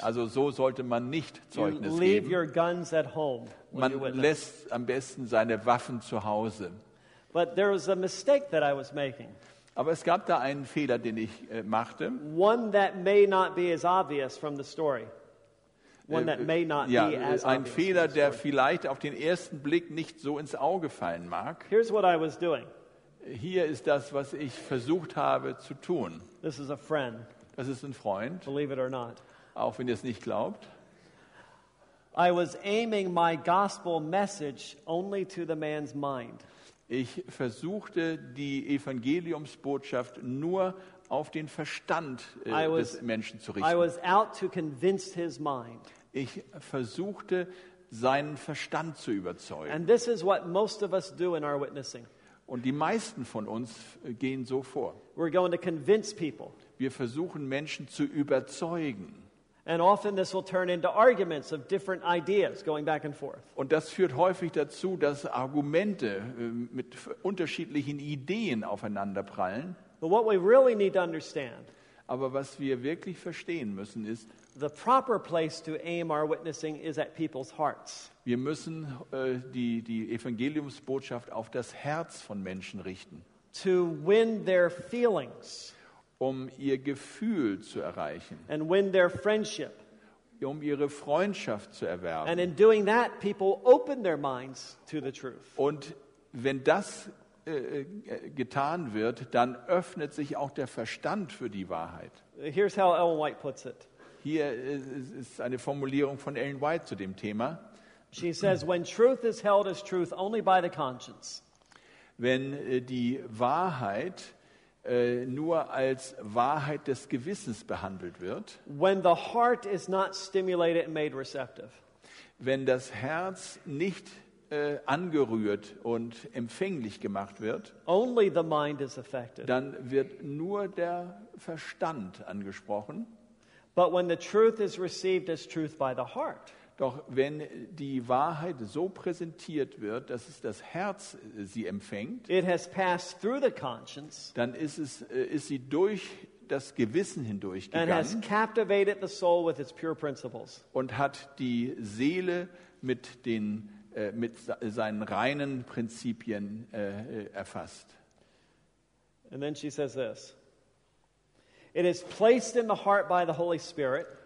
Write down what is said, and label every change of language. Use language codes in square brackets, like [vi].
[de] Also so sollte man nicht Zeugnis geben. [en] You leave [de] geben. [en] Your guns at home [de] man [en] you witness. [de] Lässt am besten seine Waffen zu Hause. [en] But there was a mistake that I was making. [de] Aber es gab da einen Fehler, den ich machte. [en] One that may not be as obvious from the story. One that may not [de] ja, [en] be as [de] ein Fehler, der vielleicht auf den ersten Blick nicht so ins Auge fallen mag. [en] Here's what I was doing. [de] Hier ist das, was ich versucht habe zu tun. [en] This is a friend. [de] Das ist ein Freund. [en] Believe it or not. [de] Auch wenn ihr es nicht glaubt. [en] I was aiming my gospel message only to the man's mind. [de] Ich versuchte die Evangeliumsbotschaft nur auf den Verstand des Menschen zu richten. [en] I was out to convince his mind. [de] Ich versuchte, seinen Verstand zu überzeugen. [en] And this is what most of us do in our witnessing. [de] Und die meisten von uns gehen so vor. [en] We're going to convince people. [de] Wir versuchen, Menschen zu überzeugen. [en] And often this will turn into arguments of different ideas going back and forth. [de] Und das führt häufig dazu, dass Argumente mit unterschiedlichen Ideen aufeinanderprallen. [en] But what we really need to understand, [de] aber was wir wirklich verstehen müssen ist, [en] the proper place to aim our witnessing is at people's hearts. [de] Wir müssen die Evangeliumsbotschaft auf das Herz von Menschen richten. [en] To win their feelings. [de] Um ihr Gefühl zu erreichen. [en] And win their friendship. [de] Um ihre Freundschaft zu erwerben. [en] And in doing that, people open their minds to the truth. [de] Und wenn das getan wird, dann öffnet sich auch der Verstand für die Wahrheit. [en] Here's how Ellen White puts it. [de] Hier ist eine Formulierung von Ellen White zu dem Thema. [en] She says, when truth is held as truth only by the conscience. [de] Wenn die Wahrheit nur als Wahrheit des Gewissens behandelt wird. [en] When the heart is not stimulated and made receptive. [de] Wenn das Herz nicht angerührt und empfänglich gemacht wird, [en] only the mind is affected. [de] Dann wird nur der Verstand angesprochen. [en] But when the truth is received as truth by the heart. [de] Doch wenn die Wahrheit so präsentiert wird, dass es das Herz sie empfängt, [en] it has passed through the conscience, [de] dann ist sie durch das Gewissen hindurchgegangen, [en] and has captivated the soul with its pure principles. [de] Und hat die Seele mit den mit seinen reinen Prinzipien erfasst. [en] And then she says this. It is placed in the heart by the Holy Spirit.